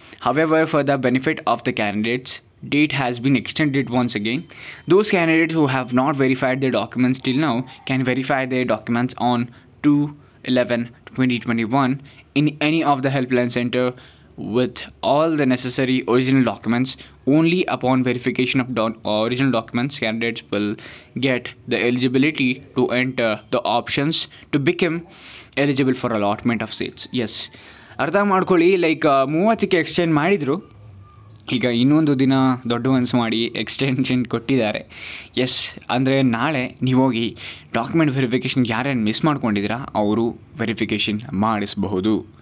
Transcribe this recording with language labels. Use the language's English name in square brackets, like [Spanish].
[English] However for the benefit of the candidates date has been extended once again. Those candidates who have not verified the documents till now can verify the documents on 2/11/2021 in any of the helpline centre with all the necessary original documents. Only upon verification of original documents candidates will get the eligibility to enter the options to become eligible for allotment of seats. [Kannada] Yes, ಅರ್ಥ ಮಾಡ್ಕೊಳ್ಳಿ. Like 30ಕ್ಕೆ extend ಮಾಡಿದರು, ಈಗ ಇನ್ನೊಂದು ದಿನ ದೊಡ್ಡ once ಮಾಡಿ extension ಕೊಟ್ಟಿದ್ದಾರೆ. S, ಅಂದರೆ ನಾಳೆ ನೀವು ಹೋಗಿ ಡಾಕ್ಯುಮೆಂಟ್ ವೆರಿಫಿಕೇಷನ್ ಯಾರೇನು ಮಿಸ್ ಮಾಡ್ಕೊಂಡಿದ್ದೀರಾ ಅವರು ವೆರಿಫಿಕೇಷನ್ ಮಾಡಿಸಬಹುದು.